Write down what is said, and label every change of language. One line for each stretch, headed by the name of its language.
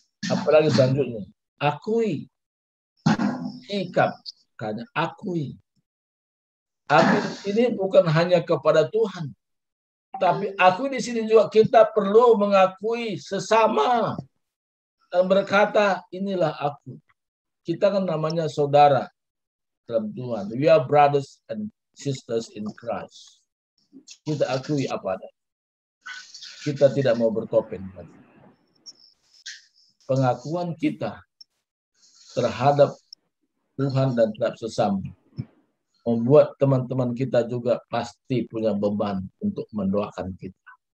Indonesian: Apalagi selanjutnya, akui sikap, karena akui. Aku ini bukan hanya kepada Tuhan, tapi aku di sini juga kita perlu mengakui sesama dan berkata inilah aku. Kita kan namanya saudara dalam Tuhan.
English: We are brothers and sisters in Christ.
Indonesian: Kita akui apa adanya. Kita tidak mau bertopeng. Pengakuan kita terhadap Tuhan dan terhadap sesama membuat teman-teman kita juga pasti punya beban untuk mendoakan kita.